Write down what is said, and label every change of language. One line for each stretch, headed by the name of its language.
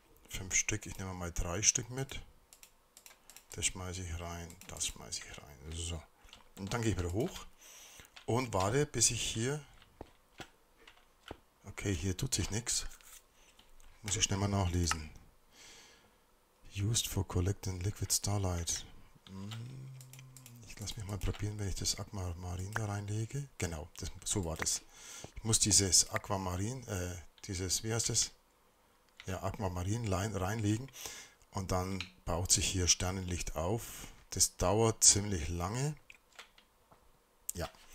German: 5 Stück, ich nehme mal 3 Stück mit. Das schmeiße ich rein, das schmeiße ich rein. So. Und dann gehe ich wieder hoch und warte, bis ich hier. Okay, hier tut sich nichts. Muss ich schnell mal nachlesen.
English: Used for collecting liquid starlight.
German: Ich lasse mich mal probieren, wenn ich das Aquamarin da reinlege. Genau, das, so war das. Ich muss dieses Aquamarin, wie heißt das? Ja, Aquamarin reinlegen und dann baut sich hier Sternenlicht auf. Das dauert ziemlich lange. Ja.